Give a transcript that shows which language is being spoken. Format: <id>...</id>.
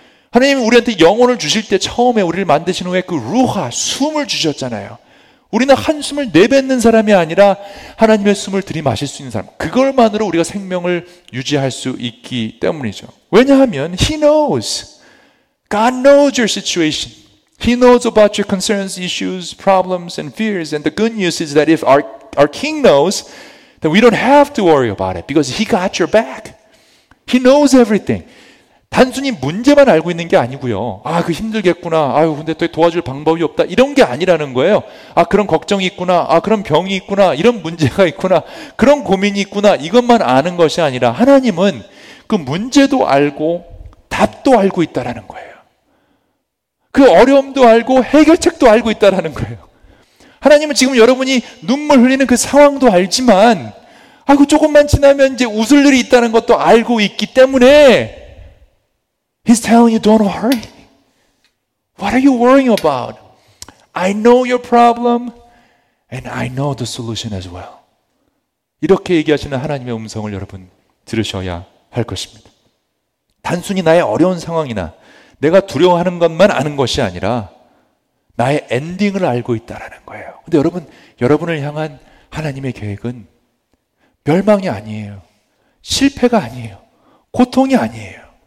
<ko>하나님이 우리한테 영혼을 주실 때 처음에 우리를 만드신 후에 그 루하, 숨을 주셨잖아요. 우리는 한숨을 내뱉는 사람이 아니라 하나님의 숨을 들이마실 수 있는 사람. 그걸만으로 우리가 생명을 유지할 수 있기 때문이죠. 왜냐하면</ko> <en>He knows. God knows your situation. He knows about your concerns, issues, problems, and fears. And the good news is that if our King knows, then we don't have to worry about it because He got your back. He knows everything.</en> <ko>단순히 문제만 알고 있는 게 아니고요. 아, 그 힘들겠구나. 아유, 근데 또 도와줄 방법이 없다. 이런 게 아니라는 거예요. 아, 그런 걱정이 있구나. 아, 그런 병이 있구나. 이런 문제가 있구나. 그런 고민이 있구나. 이것만 아는 것이 아니라 하나님은 그 문제도 알고 답도 알고 있다라는 거예요. 그 어려움도 알고 해결책도 알고 있다라는 거예요. 하나님은 지금 여러분이 눈물 흘리는 그 상황도 알지만, 아이고, 조금만 지나면 이제 웃을 일이 있다는 것도 알고 있기 때문에</ko> <en>He's telling you, don't worry. What are you worrying about? I know your problem, and I know the solution as well.</en> <ko>이렇게 얘기하시는 하나님의 음성을 여러분 들으셔야 할 것입니다. 단순히 나의 어려운 상황이나 내가 두려워하는 것만 아는 것이 아니라 나의 엔딩을 알고 있다는 거예요. 근데 여러분, 여러분을 향한 하나님의 계획은 멸망이 아니에요. 실패가 아니에요. 고통이 아니에요.</ko>